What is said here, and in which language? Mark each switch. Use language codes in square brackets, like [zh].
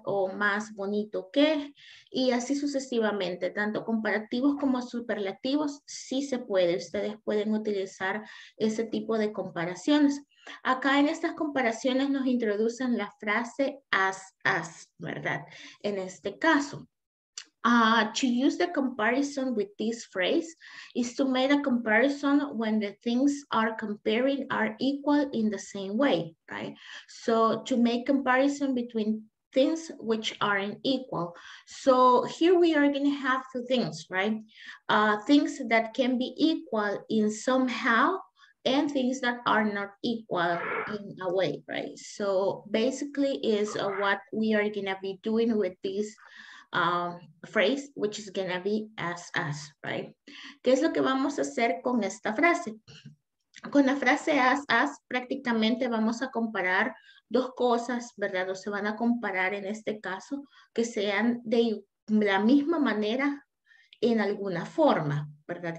[es] O más bonito que, y así sucesivamente, tanto comparativos como superlativos, sí se puede. Ustedes pueden utilizar ese tipo de comparaciones. Acá en estas comparaciones nos introducen la frase as, ¿verdad? [en] En este caso, to use the comparison with this phrase is to make a comparison when the things are comparing are equal in the same way, right? So to make comparison between things which aren't equal. So here we are going to have two things, right? Things that can be equal in somehow and things that are not equal in a way, right? So basically is what we are gonna be doing with this phrase, which is gonna be as, right? [es] ¿Qué es lo que vamos a hacer con esta frase? Con la frase as, prácticamente vamos a comparar dos cosas, ¿verdad? O se van a comparar en este caso que sean de la misma manera en alguna forma, ¿verdad?